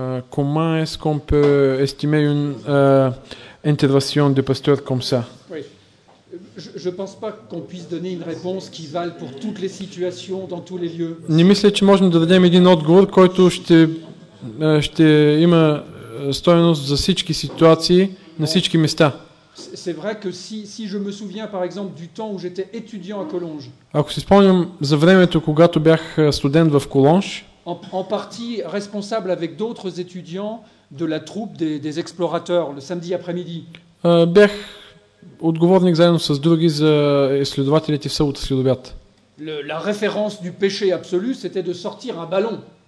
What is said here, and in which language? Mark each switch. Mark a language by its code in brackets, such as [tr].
[fr] Comment est-ce qu'on peut estimer une intervention de pasteur comme ça? Oui. Je ne pense pas qu'on puisse donner une réponse qui vaille pour toutes les situations, dans tous les lieux. [bg] Не мисля, че можем да дадем един отговор, който ще има стойност за всички ситуации, на всички места. [fr] C'est vrai que si je me souviens par exemple du temps où j'étais étudiant à Collonges. [bg] Ако си спомням за времето, когато бях студент в Колонж. [fr] En partie responsable avec d'autres étudiants de la troupe des explorateurs le samedi après-midi. [bg] Бях отговорник заедно с други за изследователите в събота следобед. [fr] La référence du péché absolu, c'était de sortir un ballon.